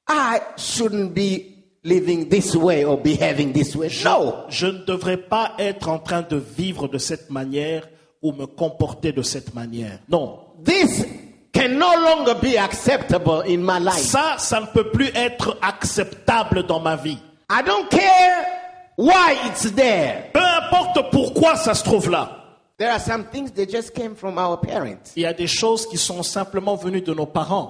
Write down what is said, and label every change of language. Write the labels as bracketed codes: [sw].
[en] I shouldn't be living this way or behaving this way. No. [fr] Je ne devrais pas être en train de vivre de cette manière ou me comporter de cette manière. Non. [en] This can no longer be acceptable in my life. [fr] Ça ne peut plus être acceptable dans ma vie. [en] I don't care. Why it's there? [fr] Peu importe pourquoi ça se trouve là. [en] There are some things that just came from our parents. [fr] Il y a des choses qui sont simplement venues de nos parents.